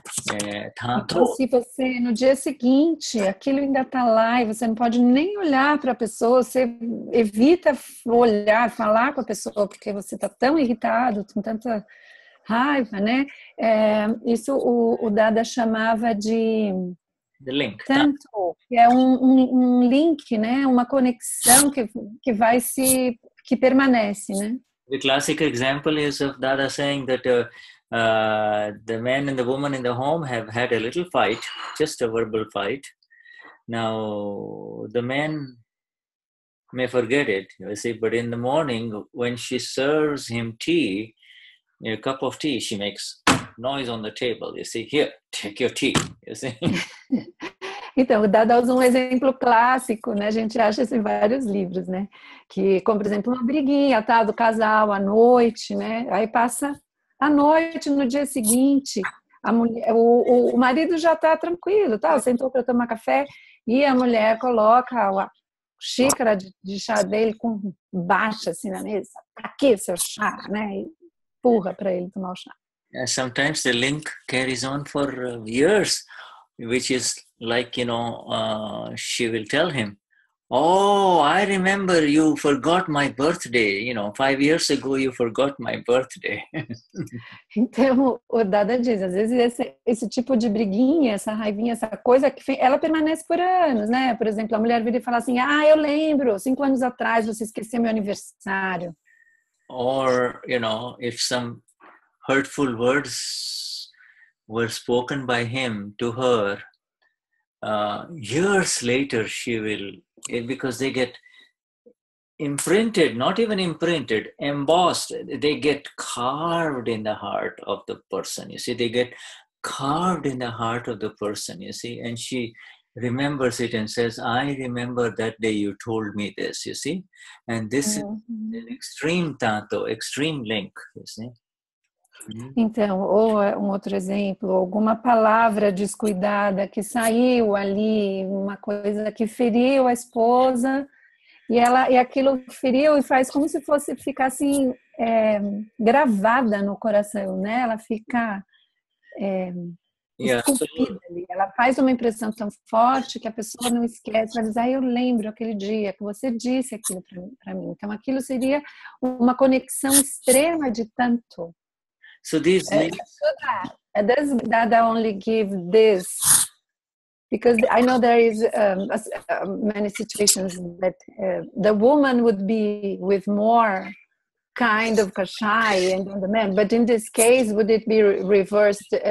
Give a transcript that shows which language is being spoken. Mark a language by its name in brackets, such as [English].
[Portuguese] Então, se você, no dia seguinte, aquilo ainda está lá e você não pode nem olhar para a pessoa, você evita olhar, falar com a pessoa, porque você está tão irritado, com tanta raiva, né? Isso o Dada chamava de... [English] The link. [Portuguese] Tanto, tá. É um link, né? Uma conexão que vai se que permanece, né? [English] The classic example is of Dada saying that the man and the woman in the home have had a little fight, just a verbal fight. Now the man may forget it, you see, but in the morning when she serves him tea, a cup of tea, she makes noise on the table, you see, here, take your tea, you see. [Portuguese] Então, o Dada usa um exemplo clássico, né? A gente acha isso em vários livros, né? Que, como por exemplo, uma briguinha, tá? Do casal, à noite, né? Aí passa a noite, no dia seguinte, a mulher, o marido já tá tranquilo, tá? Sentou para tomar café e a mulher coloca a xícara de chá dele com baixa, assim, na mesa. Pra que seu chá, né? E empurra para ele tomar o chá. [English] Sometimes the link carries on for years, which is like, you know, she will tell him, oh, I remember you forgot my birthday, you know, 5 years ago you forgot my birthday. [Portuguese] Então, o Dada diz, às vezes esse tipo de briguinha, essa raivinha, essa coisa, que ela permanece por anos, né? Por exemplo, a mulher vira e fala assim, ah, eu lembro, 5 anos atrás você esqueceu meu aniversário. [English] Or, you know, if some hurtful words were spoken by him to her, years later she will, because they get imprinted, not even imprinted, embossed, they get carved in the heart of the person, you see, they get carved in the heart of the person, you see, and she remembers it and says, I remember that day you told me this, you see, and this is an extreme tanto, extreme link, you see. [Portuguese] Então, ou um outro exemplo, alguma palavra descuidada que saiu ali, uma coisa que feriu a esposa, e aquilo feriu e faz como se fosse ficar assim, gravada no coração, né? Ela fica esculpida ali. Ela faz uma impressão tão forte que a pessoa não esquece, mas aí eu lembro aquele dia que você disse aquilo para mim. Então, aquilo seria uma conexão extrema de tanto. [English] So these links. Dada only give this because I know there is many situations that the woman would be with more kind of kashai and the man. But in this case, would it be reversed?